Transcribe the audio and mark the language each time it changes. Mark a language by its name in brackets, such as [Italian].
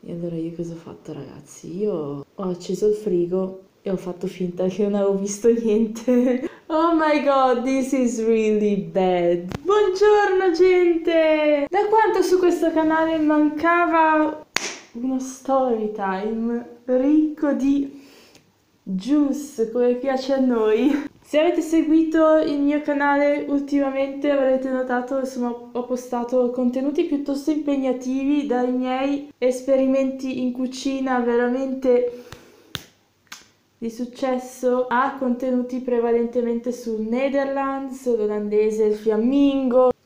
[Italian] allora io cosa ho fatto, ragazzi? Io ho acceso il frigo e ho fatto finta che non avevo visto niente. [English] Oh my god, this is really bad. [Italian] Buongiorno, gente! Da quanto su questo canale mancava uno story time ricco di juice, come piace a noi. Se avete seguito il mio canale ultimamente avrete notato che ho postato contenuti piuttosto impegnativi dai miei esperimenti in cucina veramente di successo a contenuti prevalentemente sul Netherlands, l'olandese, il fiammingo.